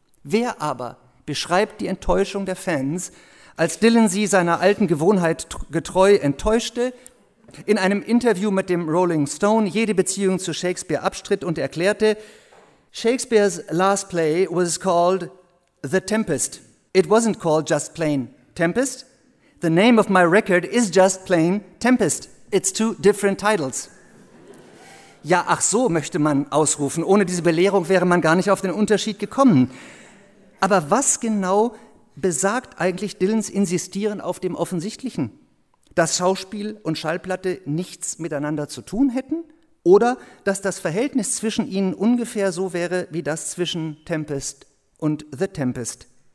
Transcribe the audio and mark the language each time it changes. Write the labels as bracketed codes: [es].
[de] Wer aber beschreibt die Enttäuschung der Fans, als Dylan sie seiner alten Gewohnheit getreu enttäuschte, in einem Interview mit dem Rolling Stone jede Beziehung zu Shakespeare abstritt und erklärte, [en] Shakespeare's last play was called The Tempest. It wasn't called just plain Tempest. The name of my record is just plain Tempest. It's two different titles. [de] Ja, ach so, möchte man ausrufen. Ohne diese Belehrung wäre man gar nicht auf den Unterschied gekommen. Aber was genau besagt eigentlich Dylans Insistieren auf dem Offensichtlichen? Dass Schauspiel und Schallplatte nichts miteinander zu tun hätten? Oder dass das Verhältnis zwischen ihnen ungefähr so wäre wie das zwischen Tempest und The Tempest?